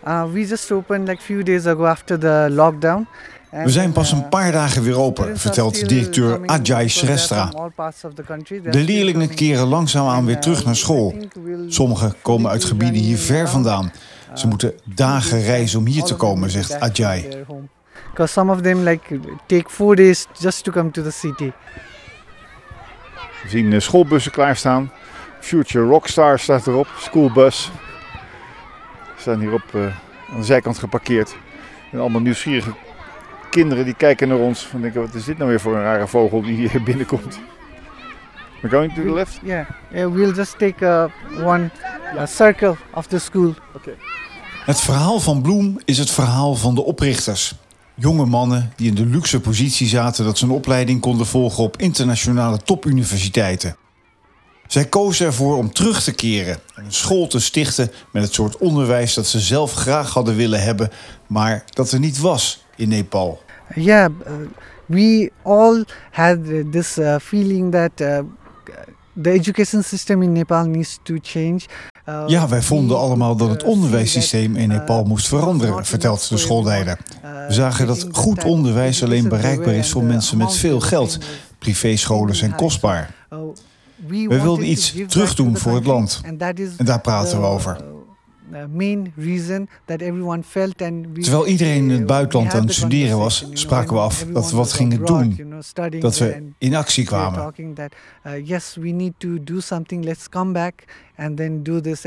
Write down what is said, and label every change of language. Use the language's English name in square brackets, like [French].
[English] We just opened like few days ago after the lockdown. [Dutch] We zijn pas een paar dagen weer open, vertelt directeur Ajay Srestha. De leerlingen keren langzaamaan weer terug naar school. Sommigen komen uit gebieden hier ver vandaan. Ze moeten dagen reizen om hier te komen, zegt Ajay. [English] Because some of them take 4 days just to come to the city. [Dutch] We zien schoolbussen klaarstaan. Future Rockstar staat erop, schoolbus. We staan hier op aan de zijkant geparkeerd. En allemaal nieuwsgierige kinderen die kijken naar ons en denken, wat is dit nou weer voor een rare vogel die hier binnenkomt. [English] We're going to the left? Yeah, we'll just take a circle of the school. Okay. [Dutch] Het verhaal van Bloom is het verhaal van de oprichters. Jonge mannen die in de luxe positie zaten dat ze een opleiding konden volgen op internationale topuniversiteiten. Zij kozen ervoor om terug te keren en een school te stichten met het soort onderwijs dat ze zelf graag hadden willen hebben, maar dat er niet was in Nepal. [English] We all had this feeling that the education system in Nepal needs to change. [Dutch] Ja, wij vonden allemaal dat het onderwijssysteem in Nepal moest veranderen, vertelt de schoolleider. We zagen dat goed onderwijs alleen bereikbaar is voor mensen met veel geld. Privéscholen zijn kostbaar. We wilden iets terugdoen voor het land. En daar praten we over. [English] main reason that everyone felt and [Dutch] we terwijl iedereen in het buitenland aan het studeren was, spraken we af dat we wat gingen doen, dat we in actie kwamen. [English] Yes, we need to do something. Let's come back and then do this.